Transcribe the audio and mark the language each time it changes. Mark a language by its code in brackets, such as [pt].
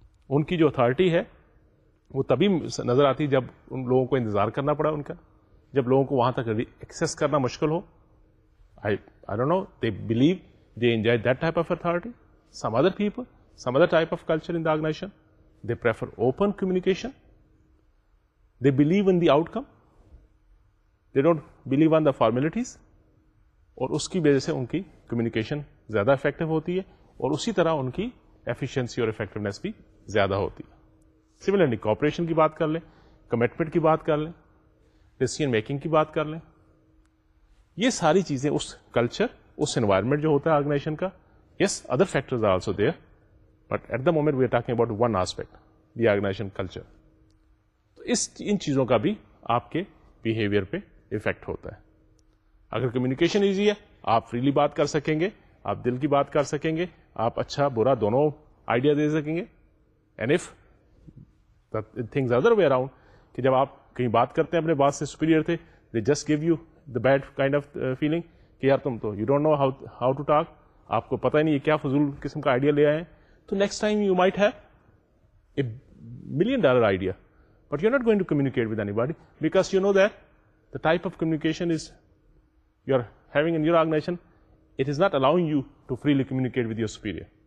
[ur] Unki jo authority hai وہ تبھی نظر آتی جب ان لوگوں کو انتظار کرنا پڑا ان کا, جب لوگوں کو وہاں تک ایکسیس کرنا مشکل ہو. [en] I don't know, they believe they enjoy that type of authority. Some other people, some other type of culture in the organization, they prefer open communication. They believe in the outcome, they don't believe on the formalities, [ur] اور اس کی وجہ سے ان کی communication زیادہ effective ہوتی ہے اور اسی طرح ان کی ایفیشنسی اور افیکٹونیس بھی زیادہ ہوتی ہے. سملرلی کوآپریشن کی بات کر لیں, کمٹمنٹ کی بات کر لیں, ڈیسیژن میکنگ کی بات کر لیں, یہ ساری چیزیں اس کلچر, اس انوائرمنٹ جو ہوتا ہے آرگنائزیشن کا. [en] Yes, other factors are also there, but at the moment we are talking about one aspect, the organization culture. [ur] تو ان چیزوں کا بھی آپ کے بیہیویئر پہ افیکٹ ہوتا ہے. اگر کمیونیکیشن ایزی ہے, آپ فریلی بات کر سکیں گے, آپ دل کی بات کر سکیں گے, آپ اچھا برا دونوں آئیڈیا دے سکیں گے. [en] and if things other way around, [ur] کہ جب آپ کہیں بات کرتے ہیں اپنے باس سے سپیریئر تھے, [en] they just gave you the bad kind of feeling [ur] کہ یار تم تو [en] you don't know how to talk, [ur] آپ کو پتا نہیں یہ کیا فضول قسم کا آئیڈیا لے آئے ہیں, تو [en] Next time you might have a million dollar idea, but you are not going to communicate with anybody, because you know that the type of communication is you are having in your organization it is not allowing you to freely communicate with your superior.